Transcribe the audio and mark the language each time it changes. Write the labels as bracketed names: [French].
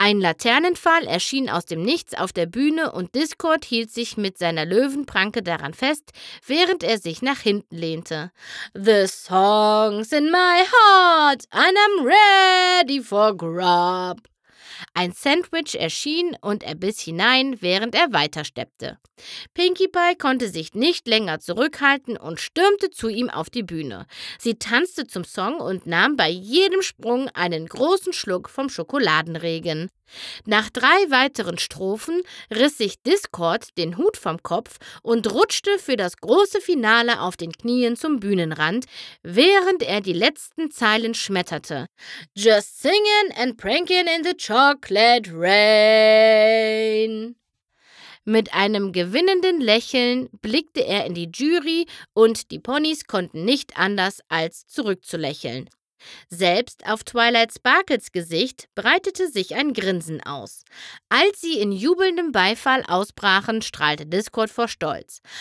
[German] Ein Laternenpfahl erschien aus dem Nichts auf der Bühne und Discord hielt sich mit seiner Löwenpranke daran fest, während er sich nach hinten lehnte. [English] The song's in my heart and I'm ready for grub. [German] Ein Sandwich erschien und er biss hinein, während er weitersteppte. Pinkie Pie konnte sich nicht länger zurückhalten und stürmte zu ihm auf die Bühne. Sie tanzte zum Song und nahm bei jedem Sprung einen großen Schluck vom Schokoladenregen. Nach 3 weiteren Strophen riss sich Discord den Hut vom Kopf und rutschte für das große Finale auf den Knien zum Bühnenrand, während er die letzten Zeilen schmetterte. [English] Just singin' and prankin' in the chocolate rain. [German] Mit einem gewinnenden Lächeln blickte er in die Jury und die Ponys konnten nicht anders als zurückzulächeln. Selbst auf Twilight Sparkles Gesicht breitete sich ein Grinsen aus. Als sie in jubelndem Beifall ausbrachen, strahlte Discord vor Stolz.